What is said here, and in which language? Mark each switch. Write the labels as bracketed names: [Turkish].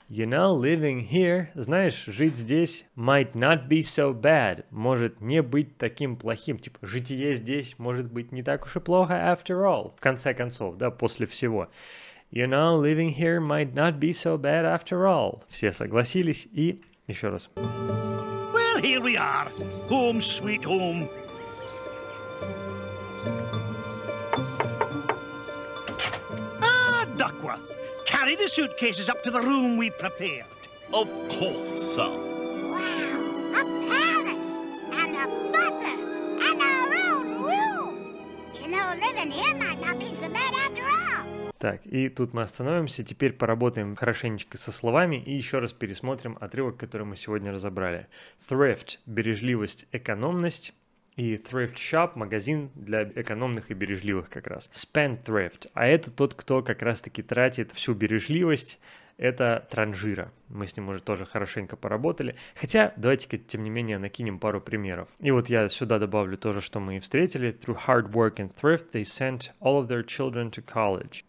[English] You know, living here, [Russian] знаешь, жить здесь [English] might not be so bad, [Russian] может не быть таким плохим, типа, житие здесь может быть не так уж и плохо [English] after all, [Russian] в конце концов, да, после всего. [English] You know, living here might not be so bad after all. [Russian] Все согласились, и еще раз. [English] Well, here we are, home sweet home. Ah, Duckworth. Carry the suitcases up to the room we prepared. Of course, sir. Wow, a palace and a butler and our own room. You know, living here might not be so bad after all. [Russian] Так, и тут мы остановимся, теперь поработаем хорошенечко со словами и еще раз пересмотрим отрывок, который мы сегодня разобрали. Thrift — бережливость, экономность. И thrift shop – магазин для экономных и бережливых как раз. Spendthrift – а это тот, кто как раз-таки тратит всю бережливость. Это транжира. Мы с ним уже тоже хорошенько поработали. Хотя, давайте-ка, тем не менее, накинем пару примеров. И вот я сюда добавлю тоже, что мы и встретили. [English] Through hard work and thrift, they sent all of their children to college.